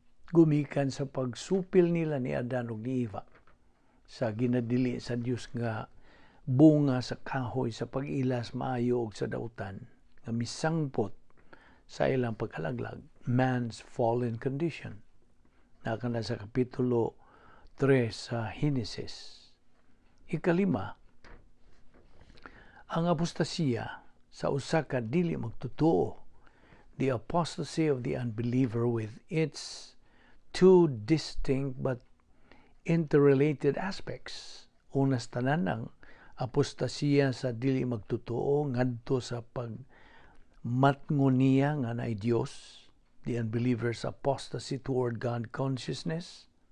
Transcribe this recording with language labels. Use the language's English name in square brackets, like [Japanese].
[Cebuano] Gumikan sa pagsupil nila ni Adan o ni Eva sa ginadili sa Diyos nga bunga sa kahoy sa pag-ilas maayo o sa dautan nga misangpot sa ilang pagkalaglag. [English] Man's fallen condition. [Cebuano] Nakana sa kapitulo 3 sa Genesis. Ikalima, ang apostasiya sa usa ka dili magtutuo. [English] The apostasy of the unbeliever with its two distinct but interrelated aspects. [Cebuano] Unas tanan ang apostasiya sa dili magtutuo ngadto sa pagmatngoniya nga naay Dios. [English] The unbeliever's apostasy toward God consciousness.